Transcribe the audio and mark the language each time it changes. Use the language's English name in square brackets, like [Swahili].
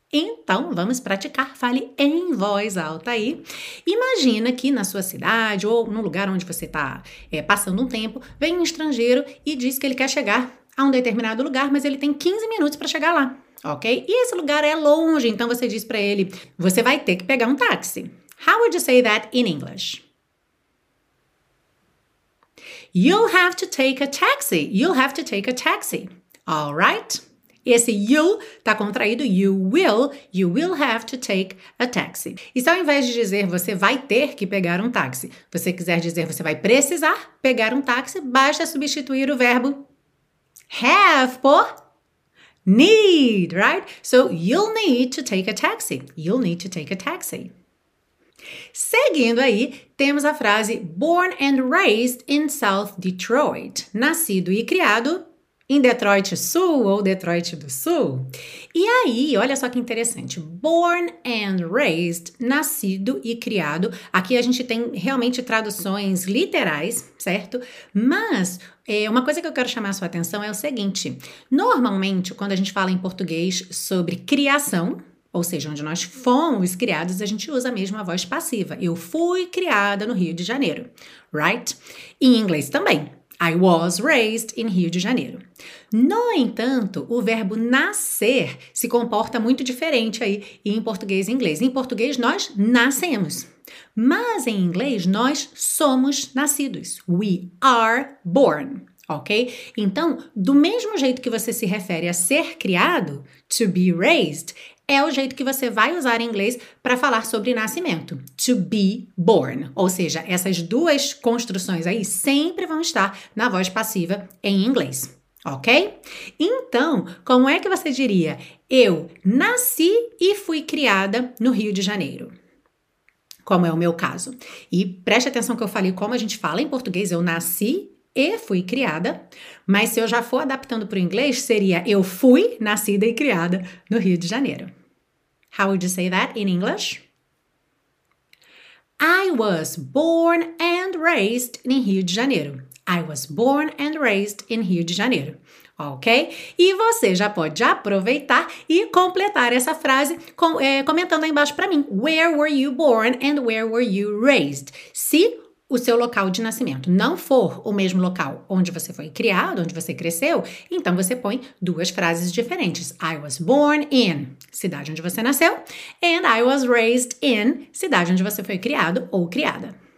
[Portuguese] Então, vamos praticar. Fale em voz alta aí. Imagina que na sua cidade ou no lugar onde você está passando um tempo, vem um estrangeiro e diz que ele quer chegar a um determinado lugar, mas ele tem 15 minutos para chegar lá, ok? E esse lugar é longe, então você diz para ele: você vai ter que pegar um táxi. [English] How would you say that in English? You'll have to take a taxi. You'll have to take a taxi. All right? [Portuguese] Esse you está contraído. [English] You will have to take a taxi. [Portuguese] E se ao invés de dizer você vai ter que pegar um táxi, você quiser dizer você vai precisar pegar um táxi, basta substituir o verbo have por need, [English] right? So you'll need to take a taxi. You'll need to take a taxi. [Portuguese] Seguindo aí, temos a frase [English] born and raised in South Detroit. [Portuguese] Nascido e criado em Detroit Sul ou Detroit do Sul. E aí, olha só que interessante. [English] Born and raised, [Portuguese] nascido e criado. Aqui a gente tem realmente traduções literais, certo? Mas uma coisa que eu quero chamar a sua atenção é o seguinte: normalmente, quando a gente fala em português sobre criação, ou seja, onde nós fomos criados, a gente usa mesmo a voz passiva. Eu fui criada no Rio de Janeiro, [English] right? [Portuguese] Em inglês também. [English] I was raised in Rio de Janeiro. [Portuguese] No entanto, o verbo nascer se comporta muito diferente aí em português e inglês. Em português, nós nascemos. Mas em inglês, nós somos nascidos. [English] We are born, [Portuguese] ok? Então, do mesmo jeito que você se refere a ser criado, [English] to be raised, [Portuguese] é o jeito que você vai usar em inglês para falar sobre nascimento, [English] to be born. [Portuguese] Ou seja, essas duas construções aí sempre vão estar na voz passiva em inglês, ok? Então, como é que você diria: eu nasci e fui criada no Rio de Janeiro? Como é o meu caso. E preste atenção que eu falei como a gente fala em português: eu nasci e fui criada, mas se eu já for adaptando para o inglês, seria: eu fui nascida e criada no Rio de Janeiro. [English] How would you say that in English? I was born and raised in Rio de Janeiro. I was born and raised in Rio de Janeiro. Ok? [Portuguese] E você já pode aproveitar e completar essa frase comentando aí embaixo para mim. [English] Where were you born and where were you raised? [Portuguese] Se o seu local de nascimento não for o mesmo local onde você foi criado, onde você cresceu, então você põe duas frases diferentes. [English] I was born in, [Portuguese] cidade onde você nasceu, [English] and I was raised in, [Portuguese] cidade onde você foi criado ou criada.